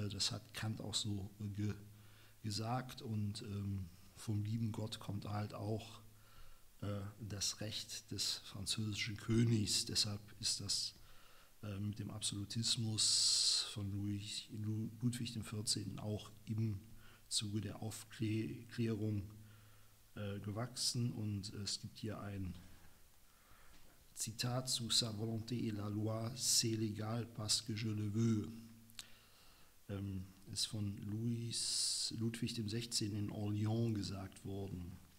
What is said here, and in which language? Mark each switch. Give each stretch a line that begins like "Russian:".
German: Das hat Kant auch so gesagt. Und vom lieben Gott kommt halt auch das Recht des französischen Königs. Deshalb ist das mit dem Absolutismus von Ludwig XIV. Auch im Zuge der Aufklärung gewachsen. Und es gibt hier ein Zitat zu
French: Sa volonté et la loi, c'est légal parce que je le veux.
German: Ist von Ludwig XVI. In Orléans gesagt worden.